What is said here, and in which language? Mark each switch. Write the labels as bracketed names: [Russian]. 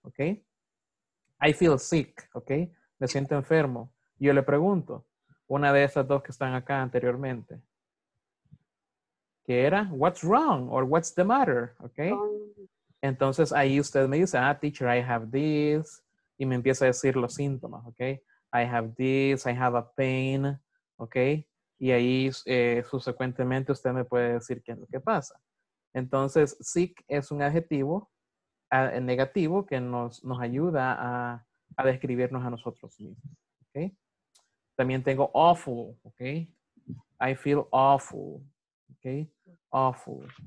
[English] Okay, I feel sick. Okay, [Spanish] me siento enfermo. Yo le pregunto, una de esas dos que están acá anteriormente, ¿qué era? [English] What's wrong or what's the matter? Okay, [Spanish] entonces ahí usted me dice, [English] teacher, I have this. [Spanish] Y me empieza a decir los síntomas, ¿ok? [English] I have this, I have a pain, ¿ok? [Spanish] Y ahí, subsecuentemente, usted me puede decir qué es lo que pasa. Entonces, sick es un adjetivo negativo que nos ayuda a describirnos a nosotros mismos, ¿ok? También tengo [English] awful, ¿ok? I feel awful, ¿ok? Awful.